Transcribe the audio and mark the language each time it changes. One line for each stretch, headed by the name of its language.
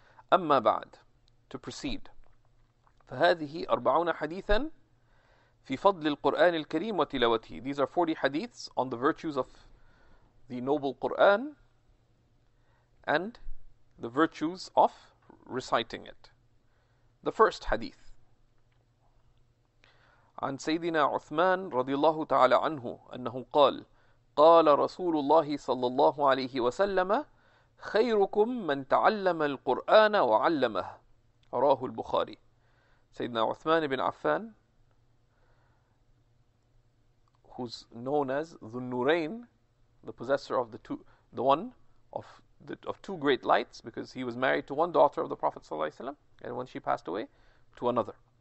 Arabic: Amma ba'd,
English: to proceed.
Arabic: فَهَذِهِ أَرْبَعُونَ حَدِيثًا فِي فَضْلِ الْقُرْآنِ الْكَرِيمِ وَتِلَوَتِهِ.
English: These are 40 hadiths on the virtues of the noble Qur'an and the virtues of reciting it. The first hadith.
Arabic: عن سيدنا عثمان رضي الله تعالى عنه أنه قال قال رسول الله صلى الله عليه وسلم خيركم من تعلم القرآن وعلمه رواه البخاري.
English: سيدنا عثمان بن عفان, who's known as the Nurain, the possessor of the one of two great lights, because he was married to one daughter of the Prophet ﷺ, and when she passed away, to another.